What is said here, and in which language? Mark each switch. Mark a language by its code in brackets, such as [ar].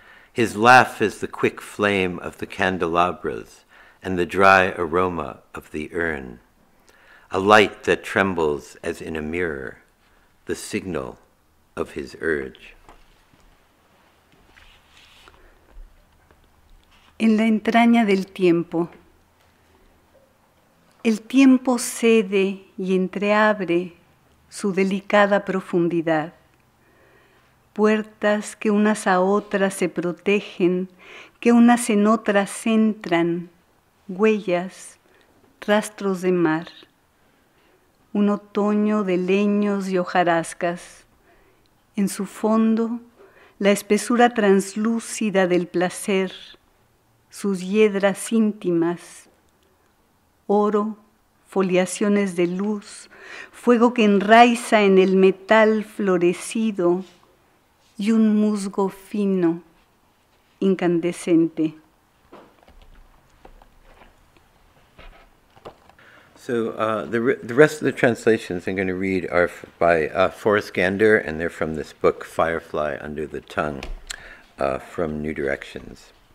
[en] His laugh is the quick flame of the candelabras and the dry aroma of the urn, a light that trembles as in a mirror, the signal of his urge. [es] En la entraña del tiempo, el tiempo cede y entreabre su delicada profundidad. Puertas que unas a otras se protegen, que unas en otras entran, huellas, rastros de mar. Un otoño de leños y hojarascas. En su fondo, la espesura translúcida del placer, sus hiedras íntimas, oro, foliaciones de luz, fuego que enraiza en el metal florecido, y un musgo fino, incandescente. [en] So the rest of the translations I'm going to read are by Forrest Gander, and they're from this book, Firefly Under the Tongue, from New Directions.